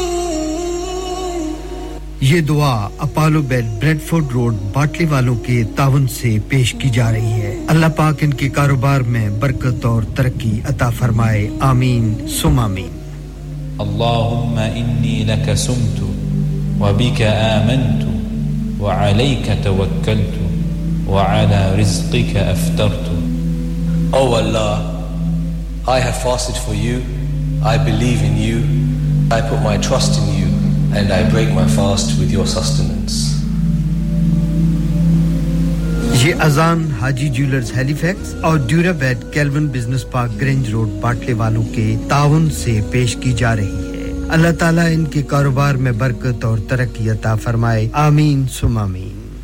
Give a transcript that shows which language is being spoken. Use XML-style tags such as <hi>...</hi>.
<hi>ये दुआ Apollo bed Bradford road बाटली वालों के तावन से पेश की जा रही है अल्लाह पाक इनके कारोबार में बरकत और तरक्की अता फरमाए आमीन सुमामीन</hi> <ar>اللهم اني لك صمت وبك امنت وعليك توكلت وعلى رزقك افترت</ar> <en>او الله I have fasted for you I believe in you I put my trust in you And I break my fast with your sustenance.</en> <hi>ये अजान हाजी ज्वेलर्स हेलीफैक्स और ड्यूराबेड kelvin business park grange road बाटले वालों के तावन से पेश की जा रही है अल्लाह ताला इनके कारोबार में बरकत और तरक्की अता फरमाए आमीन सुमामीन</hi>